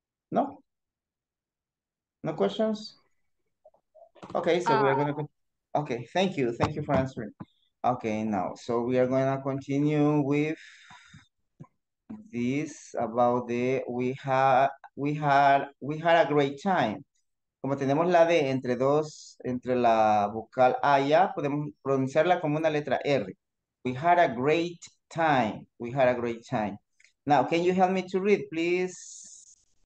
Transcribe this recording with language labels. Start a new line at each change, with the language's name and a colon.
English: No? No questions? Okay, so we're going to... Okay, thank you. Thank you for answering. Okay, now, so we are going to continue with this about the, we had a great time.
Spanish: Como tenemos la D entre dos, entre la vocal A y A, podemos pronunciarla como una letra R.
English: We had a great time. We had a great time. Now, can you help me to read, please?